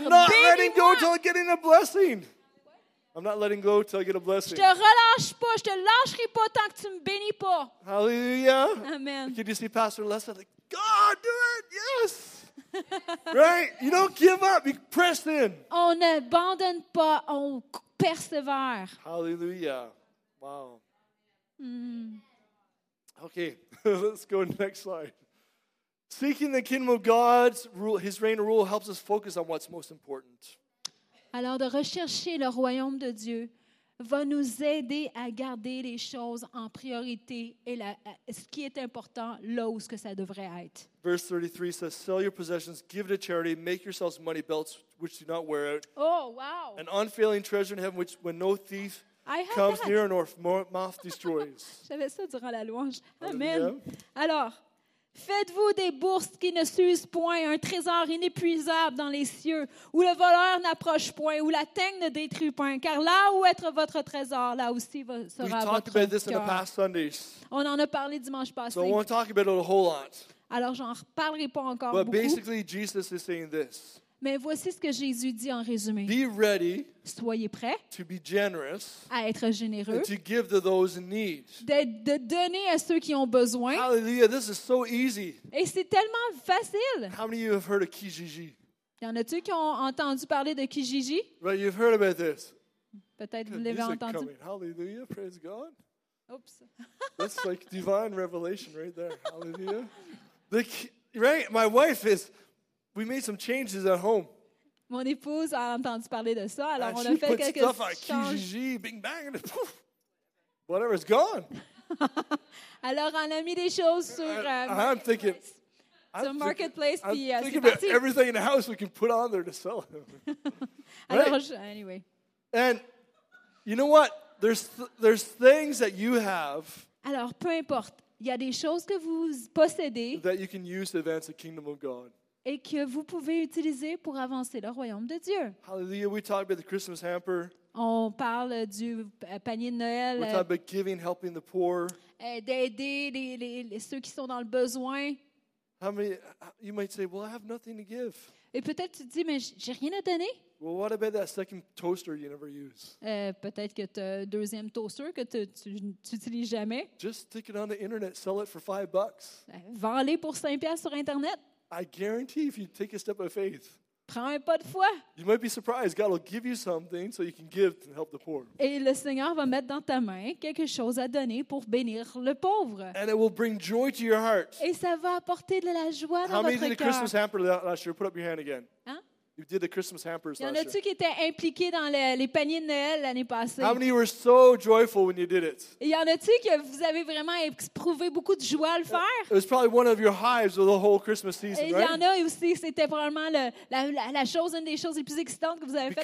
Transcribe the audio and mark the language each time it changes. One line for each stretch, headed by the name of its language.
English: I'm not letting go until I'm getting a blessing. I'm not letting go till I get a blessing.
French: Je te relâche pas, je te lâcherai pas tant que tu me bénis pas.
English: Hallelujah. Amen. Can you see Pastor Lester like, God, do it, yes. Right? You don't give up, you press in. On n'abandonne pas, on persévère. Hallelujah. Wow. Okay, let's go to the next slide. Seeking the kingdom of God's rule, his reign and rule helps us focus on what's most important.
French: Alors, de rechercher le royaume de Dieu va nous aider à garder les choses en priorité et ce qui est important là où ce que ça devrait être.
English: Verse 33 says, sell your possessions, give it to charity, make yourselves money belts which do not wear out. Oh, wow. An unfailing treasure in heaven which when no thief comes near nor moth destroys.
French: J'avais ça durant la louange. Amen. Yeah. Alors, faites-vous des bourses qui ne s'usent point, un trésor inépuisable dans les cieux, où le voleur n'approche point, où la teigne ne détruit point, car là où être votre trésor, là aussi sera votre cœur. On en a parlé dimanche passé.
English: So I won't talk about it a whole lot.
French: Alors, j'en reparlerai pas encore
English: But
French: beaucoup.
English: Basically, Jesus is saying this.
French: Mais voici ce que Jésus dit en résumé.
English: Be ready.
French: Soyez prêt
English: to be generous,
French: à être généreux,
English: to give to those in need.
French: De donner à ceux qui ont besoin.
English: Hallelujah, this is so easy.
French: Et c'est tellement facile.
English: How many of you have heard of Kijiji?
French: Y en a-t-il qui ont entendu parler de Kijiji?
English: Right, you've heard about this.
French: Peut-être vous l'avez entendu.
English: Hallelujah, praise God. Oops. That's like divine revelation right there. Hallelujah. Right, my wife is. We made some changes at home.
French: Mon épouse a entendu parler de ça, alors
English: and
French: on a fait quelques
English: stuff changes. Kijiji, bing bang, and poof, whatever, it's gone.
French: Alors on a mis des choses sur
English: marketplace. I'm thinking
French: c'est parti.
English: About everything in the house we can put on there to sell. Right? Alors, anyway. And you know what? There's things that you have.
French: Alors peu importe, il y a des choses que vous possédez
English: that you can use to advance the kingdom of God.
French: Et que vous pouvez utiliser pour avancer le royaume de Dieu.
English: Hallelujah, we talk about the Christmas hamper.
French: On parle du panier de Noël.
English: We talk about giving, helping the poor.
French: D'aider les ceux qui sont dans le besoin.
English: How many, you might say, well, I have nothing to give.
French: Et peut-être tu te dis, mais j'ai rien à donner.
English: Well, what about that second toaster you never use?
French: Peut-être que tu as un deuxième toaster que tu n'utilises jamais.
English: Just stick it on the internet, sell it for $5.
French: Vends-les pour 5 piastres sur internet.
English: I guarantee if you take a step of faith,
French: prends un pas de foi.
English: You might be surprised. God will give you something so you can give and help the poor.
French: Et le Seigneur va mettre dans ta main quelque chose à donner pour bénir le pauvre.
English: And it will bring joy to your heart.
French: Et ça va apporter de la joie dans
English: How many did the Christmas hamper last year? Put up your hand again.
French: Hein?
English: You did the Christmas hampers last year.
French: Y en a-tu qui étaient impliqués dans les paniers de Noël l'année passée?
English: How many were so joyful when you did it?
French: Y en a-tu que vous avez vraiment éprouvé beaucoup de joie à le faire?
English: It was probably one of your highs of the whole Christmas season, right?
French: Y en a aussi, c'était probablement la chose, une des choses les plus excitantes que vous avez faites.